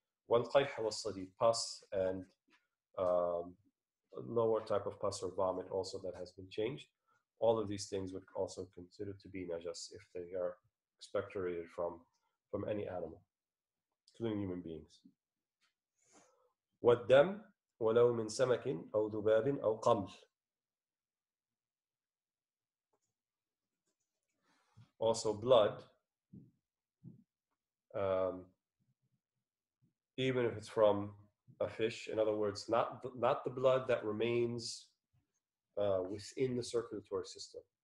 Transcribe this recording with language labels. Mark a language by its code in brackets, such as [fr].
[ar] وَالْقَيْحُ وَالصَّدِيدُ, [en] pus, and lower type of pus or vomit also that has been changed. All of these things would also consider to be najas if they are expectorated from any animal, including human beings. [ar] والدم ولو من سمك أو ذباب أو قمل. [en] Also blood, even if it's from a fish. In other words, not the blood that remains within the circulatory system.